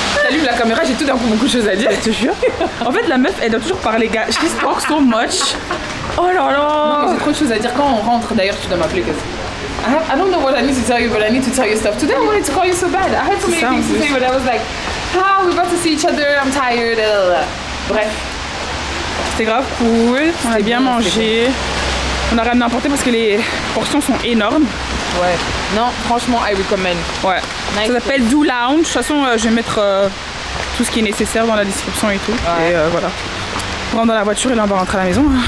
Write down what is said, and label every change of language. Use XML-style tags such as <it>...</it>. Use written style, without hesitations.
<fr>J'allume la caméra, j'ai tout d'un coup beaucoup de choses à dire. Je te jure. En fait, la meuf, elle doit toujours parler, gars.</fr> <en>She talks so much.</en> <fr>Oh là là. J'ai trop de choses à dire. Quand on rentre, d'ailleurs, tu dois m'appeler, guys.</fr> <en>I don't know what I need to tell you, but I need to tell you stuff. Today, I wanted to call you so bad. I had so many things to say, but I was like, ah, we're about to see each other, I'm tired.</en> <fr>Bref. C'était grave cool, on a bien mangé. On a rien emporté parce que les portions sont énormes. Ouais, non, franchement,</fr> <en>I recommend.</en> <fr>Ouais, nice. Ça s'appelle Do Lounge. De toute façon, je vais mettre tout ce qui est nécessaire dans la description et tout. Ouais. Et voilà. On rentre dans la voiture et là, on va rentrer à la maison.</fr>